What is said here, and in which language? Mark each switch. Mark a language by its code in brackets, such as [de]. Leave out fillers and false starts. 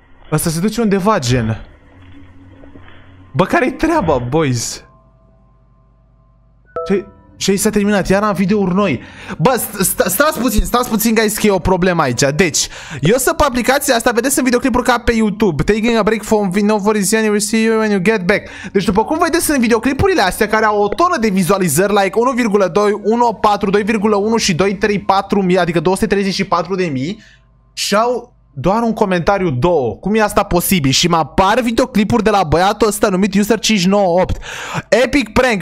[ro] Asta se duce undeva, gen. Bă, care-i treaba, boys? Ce-i s-a terminat? Iar am videouri noi. Bă, stați puțin, guys, că e o problemă aici. Deci, eu sunt pe aplicația asta, vedeți în videoclipul ca pe YouTube. [en] Taking a break from Vinovorizian, you will see you when you get back. [ro] Deci, după cum vedeți în videoclipurile astea, care au o tonă de vizualizări, like 1,2, 1,4, 2,1 și 2,34,000, adică 234,000, și au... doar un comentariu, două. Cum e asta posibil? Și mă apar videoclipuri de la băiatul ăsta numit user 598. Epic prank.